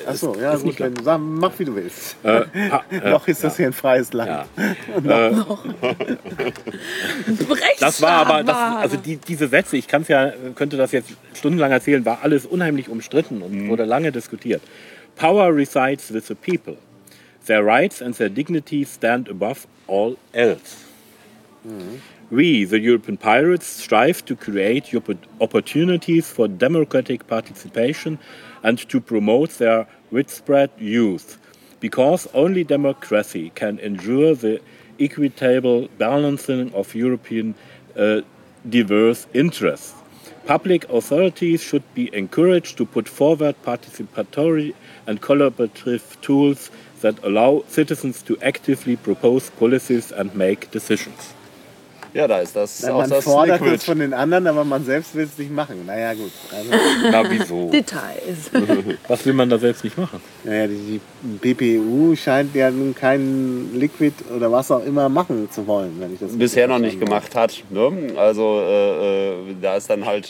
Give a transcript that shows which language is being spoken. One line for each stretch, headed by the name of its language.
German: achso, ja, ist gut, nicht wenn du sagst, mach wie du willst. Noch ist das hier ein freies Land. Ja. Noch. Das war aber, das, also diese Sätze, ich kann's ja, könnte das jetzt stundenlang erzählen, war alles unheimlich umstritten und wurde lange diskutiert.
English: Power resides with the people. Their rights and their dignity stand above all else. We, the European Pirates, strive to create opportunities for democratic participation and to promote their widespread use, because only democracy can ensure the equitable balancing of European diverse interests. Public authorities should be encouraged to put forward participatory and collaborative tools that allow citizens to actively propose policies and make decisions.
German: Ja, da ist das. Nein, man das fordert Liquid. Es von den anderen, aber man selbst will es nicht machen. Naja, gut. Also. Na, wieso? Details. Was will man da selbst nicht machen? Naja, die PPU scheint ja nun kein Liquid oder was auch immer machen zu wollen, wenn ich das bisher noch nicht gemacht hat. Ne? Also, da ist dann halt.